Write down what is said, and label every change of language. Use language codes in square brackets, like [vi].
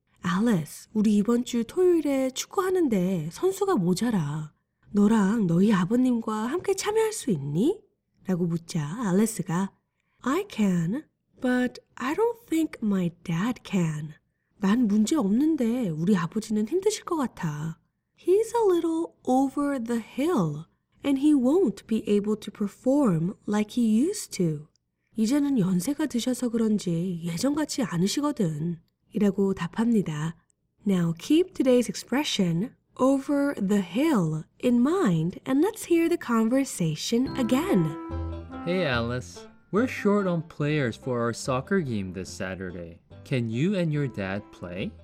[ko] Alice, 우리 이번 주 토요일에 축구하는데 선수가 모자라. 너랑 너희 아버님과 함께 참여할 수 있니? 라고 묻자 알리스가 [en] I can, but I don't think my dad can. [ko] 난 문제 없는데 우리 아버지는 힘드실 것 같아. [en] He's a little over the hill, and he won't be able to perform like he used to. [ko] 이제는 연세가 드셔서 그런지 예전 같지 않으시거든. 이라고 답합니다. [en] Now keep today's expression, over the hill, in mind, and let's hear the conversation again. Hey Alice, we're short on players for our soccer game this Saturday. Can you and your dad play?